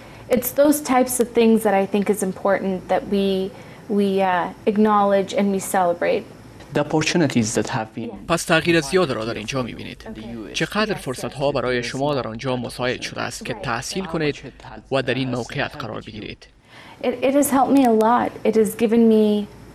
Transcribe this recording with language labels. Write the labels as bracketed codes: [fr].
[en] It's those types of things that I think is important that we acknowledge and we celebrate. The opportunities that have been. [fa] پس تغییر زیاد را در اینجا می‌بینید. چقدر فرصت‌ها برای شما در آنجا مساعد شده است که تحصیل کنید و در این موقعیت قرار بگیرید؟ [en] It has helped me a lot. It has given me